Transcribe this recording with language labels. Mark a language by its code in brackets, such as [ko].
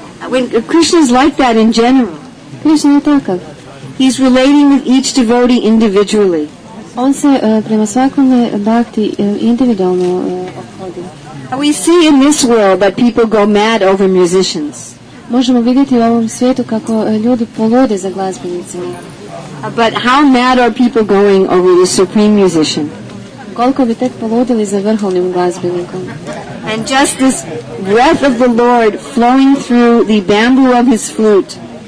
[en] When Krishna is like that in general. [hr] Krishna je takav. [en] He's relating with each devotee individually. [hr] On se prema svakome bhakti individualno obhodi. [en] We see in this world that people go mad over musicians. [hr] Možemo vidjeti u ovom svijetu kako ljudi polude za glazbenicima. [en] But how mad are people going over the supreme musician? [hr] Koliko bi tek poludili za vrhovnim glazbenikom? [en] and just this breath of the Lord flowing through the bamboo of his flute.